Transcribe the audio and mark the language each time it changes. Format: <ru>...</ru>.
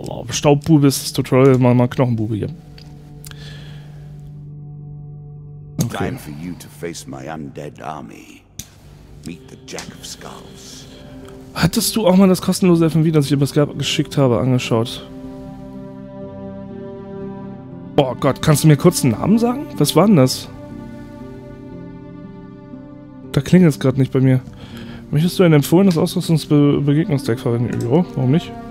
<de>Staubbube ist das Tutorial, machen mal Knochenbube hier.</de> <en>Time for you to face my undead army. Meet the Jack of Skulls.</en> <de>Hattest du auch mal das kostenlose FMV, das ich über Skype geschickt habe, angeschaut? Boah Gott, kannst du mir kurz einen Namen sagen? Was war denn das? Da klingelt es gerade nicht bei mir. Möchtest du ein empfohlenes Ausrüstungsbegegnungsdeck verwenden? Jo, warum nicht?</de>